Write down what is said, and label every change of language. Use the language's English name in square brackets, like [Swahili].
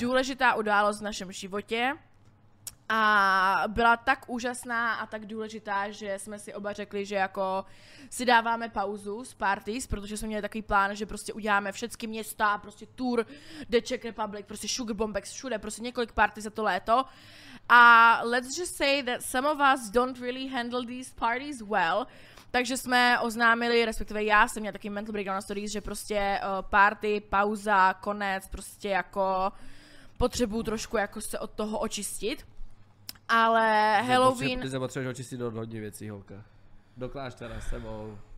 [Czech] Důležitá událost v našem životě. A byla tak úžasná a tak důležitá, že jsme si oba řekli, že jako si dáváme pauzu z parties, protože jsme měli takový plán, že prostě uděláme všechny města, prostě tour The Czech Republic, prostě Sugar Bombex všude, prostě několik party za to léto. [English] A let's just say that some of us don't really handle these parties well. [Czech] Takže jsme oznámili, respektive já jsem měla takový mental breakdown na stories, že prostě party, pauza, konec, prostě jako potřebuju trošku jako se od toho očistit. Ale Halloween... Ty se potřebuješ očistit do hodně věcí, holka. Do kláštera s sebou.